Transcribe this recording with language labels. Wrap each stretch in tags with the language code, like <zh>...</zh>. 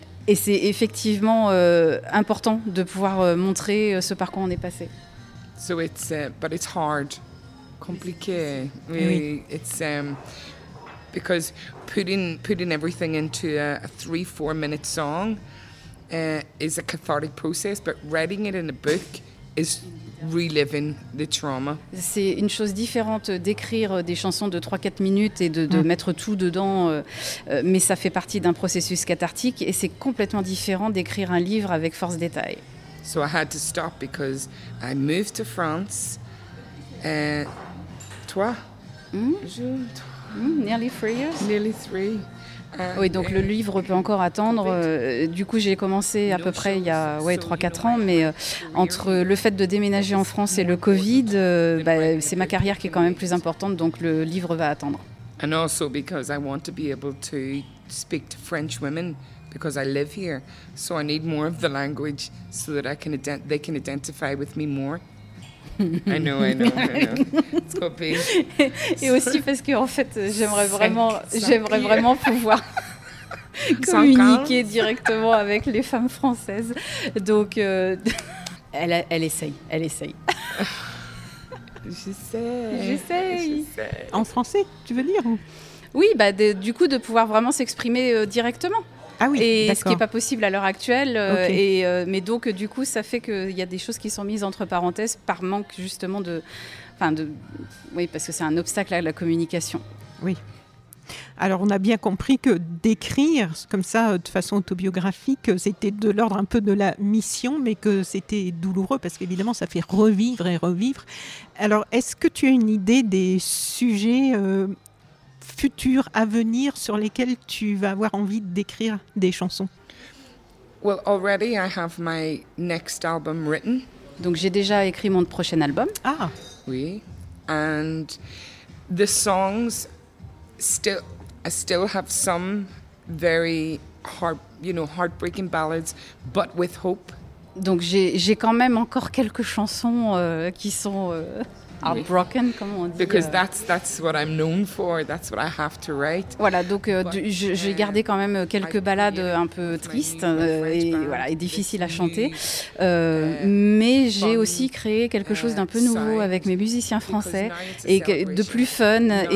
<fr>Et c'est effectivement important de pouvoir montrer ce par quoi on est passé.</fr> <en>So it's but it's hard,</en> <fr>compliqué.</fr> <en>Really,</en> <fr>oui.</fr> <en>It's because putting everything into a 3-4 minute song is a cathartic process, but writing it in a book is reliving the trauma.</en> <fr>C'est une chose différente d'écrire des chansons de 3-4 minutes et de mettre tout dedans, mais ça fait partie d'un processus cathartique et c'est complètement différent d'écrire un livre avec force détail.</fr> <en>So I had to stop because I moved to France. Nearly 3 years. Nearly 3.</en> <fr>Oui, donc le livre peut encore attendre. Du coup, j'ai commencé à peu près il y a 3-4 ans, mais entre le fait de déménager en France et le Covid, c'est ma carrière qui est quand même plus importante, donc le livre va attendre.</fr> <en>And also because I want to be able to speak to French women because I live here, so I need more of the language so that I can they can identify with me more. I know. It's copy.</en> <fr>Et aussi parce que en fait, j'aimerais vraiment pouvoir communiquer directement avec les femmes françaises. Donc, elle essaye. J'essaie. En français, tu veux dire ? Oui, du coup, de pouvoir vraiment s'exprimer directement. Ah oui, et d'accord. Ce qui n'est pas possible à l'heure actuelle. Okay. Mais donc, du coup, ça fait qu'il y a des choses qui sont mises entre parenthèses par manque justement de... Oui, parce que c'est un obstacle à la communication. Oui. Alors, on a bien compris que d'écrire comme ça, de façon autobiographique, c'était de l'ordre un peu de la mission, mais que c'était douloureux parce qu'évidemment, ça fait revivre et revivre. Alors, est-ce que tu as une idée des sujets... futur à venir sur lesquels tu vas avoir envie d'écrire des chansons?</fr> <en>Well, already I have my next album written.</en> <fr>Donc j'ai déjà écrit mon prochain album. Ah. Oui.</fr> <en>And the songs still, I still have some very heartbreaking ballads, but with hope.</en> <fr>Donc j'ai quand même encore quelques chansons qui sont heartbroken, comment on dit.</fr> <en>Because that's what I'm known for, that's what I have to write.</en> <fr>Voilà, donc j'ai gardé quand même quelques ballades un peu tristes et difficiles à chanter. Mais j'ai aussi créé quelque chose d'un peu nouveau avec mes musiciens français et de plus fun.</fr>